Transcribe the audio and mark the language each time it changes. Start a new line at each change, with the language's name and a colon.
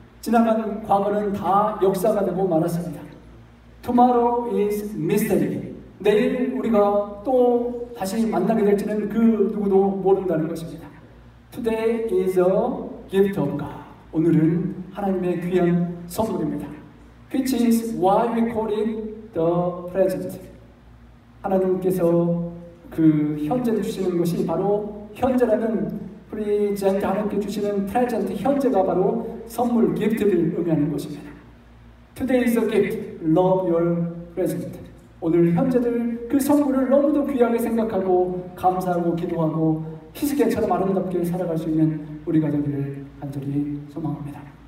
Korean: 지나간 과거는 다 역사가 되고 말았습니다.
English: Tomorrow is mystery.
Korean: 내일 우리가 또 다시 만나게 될지는 그 누구도 모른다는 것입니다.
English: Today is a gift of God.
Korean: 오늘은 하나님의 귀한 선물입니다.
English: Which is why we call it the present.
Korean: 하나님께서 그 현재를 주시는 것이 바로 현재라는 present 하나님께 주시는 present 현재가 바로 선물 gift를 의미하는 것입니다.
English: Today is a gift. Love your present.
Korean: 오늘 현재들 그 선물을 너무도 귀하게 생각하고 감사하고 기도하고 희스계처럼 아름답게 살아갈 수 있는 우리가 되기를 간절히 소망합니다.